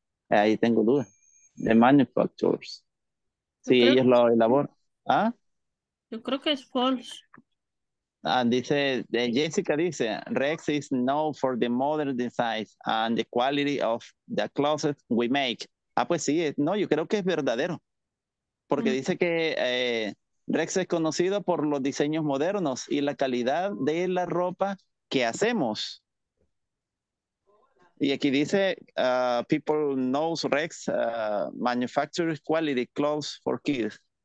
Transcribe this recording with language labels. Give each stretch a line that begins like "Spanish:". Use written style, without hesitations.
Spanish: Ahí tengo duda.
English: The manufacturers.
Spanish: Sí, creo, ellos lo elaboran. ¿Ah? Yo creo que es false. Dice, Jessica dice,
English: Rex is known for the modern designs and the quality of the clothes we make.
Spanish: Ah, pues sí, no, yo creo que es verdadero. Porque dice que Rex es conocido por los diseños modernos y la calidad de la ropa que hacemos. Y aquí dice,
English: people know Rex manufactures quality clothes for kids.